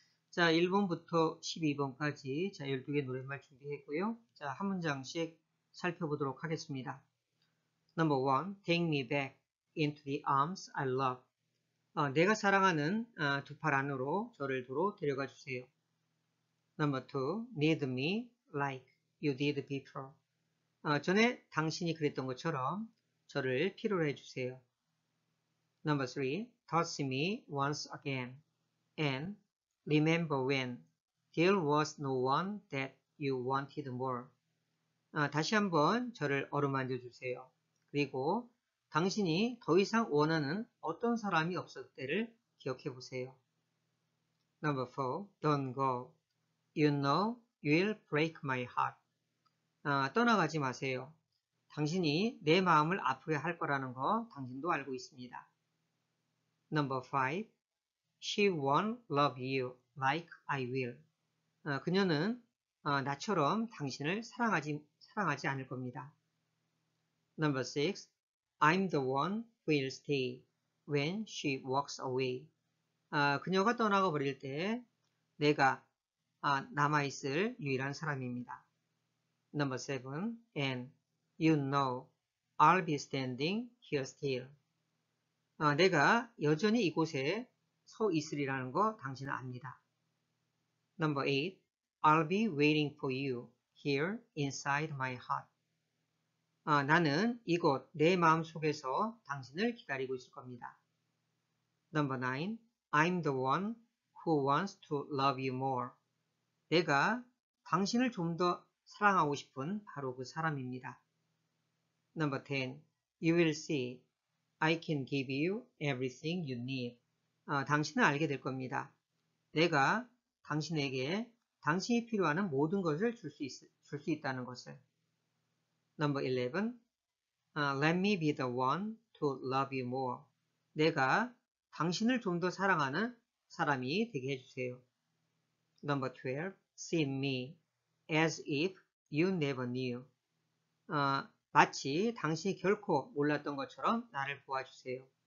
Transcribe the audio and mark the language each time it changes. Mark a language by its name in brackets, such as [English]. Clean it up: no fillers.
[Korean] 자, 1번부터 12번까지 자 12개 노랫말 준비했고요. 자, 한 문장씩 살펴보도록 하겠습니다. [English] Number one, take me back into the arms I love. [Korean] 내가 사랑하는 두팔 안으로 저를 도로 데려가 주세요. [English] Number two, need me like you did before. [Korean] 전에 당신이 그랬던 것처럼 저를 필요로 해주세요. [English] Number three, touch me once again. And remember when there was no one that you wanted more. [Korean] 다시 한번 저를 어루만져 주세요. 그리고 당신이 더 이상 원하는 어떤 사람이 없었을 때를 기억해 보세요. [English] Number four, don't go. You know you'll break my heart. [Korean] 떠나가지 마세요. 당신이 내 마음을 아프게 할 거라는 거 당신도 알고 있습니다. [English] Number five, she won't love you like I will. [Korean] 그녀는 나처럼 당신을 사랑하지 않을 겁니다. [English] Number six, I'm the one who'll stay when she walks away. [Korean] 그녀가 떠나가 버릴 때 내가 남아있을 유일한 사람입니다. [English] Number seven, and you know I'll be standing here still. [Korean] 내가 여전히 이곳에 서 있으리라는 거 당신은 압니다. [English] Number eight, I'll be waiting for you here inside my heart. [Korean] 나는 이곳 내 마음 속에서 당신을 기다리고 있을 겁니다. [English] Number nine, I'm the one who wants to love you more. [Korean] 내가 당신을 좀더 사랑하고 싶은 바로 그 사람입니다. [English] Number 10. You will see. I can give you everything you need. [Korean] 당신은 알게 될 겁니다. 내가 당신에게 당신이 필요하는 모든 것을 줄수 있다는 것을. [English] Number 11. Let me be the one to love you more. [Korean] 내가 당신을 좀더 사랑하는 사람이 되게 해주세요. [English] Number 12. See me as if You never knew. [Korean] 마치 당신이 결코 몰랐던 것처럼 나를 보아주세요.